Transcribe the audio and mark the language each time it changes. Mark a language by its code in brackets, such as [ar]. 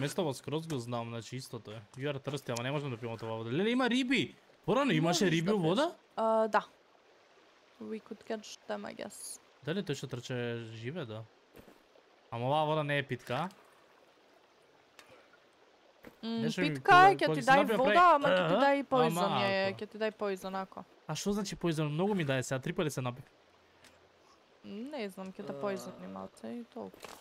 [mk] место во скроз го знам, значи истото е. [en] You are thirsty, [mk] ама не можам да пивам това вода. Леле, има риби! Порано, имаше риби у вода? Да. [en] We could catch them, I guess. [mk] Дали тој што трча живе, да? Ама оваа вода не е питка, а? Питка е, ќе ти дај вода, ама ќе ти дај и поизон, ќе ти дај поизон, ако. А шо значи поизон? Многу ми даје се, а три пали се напи? Не знам, ќе те поизони малце и толку.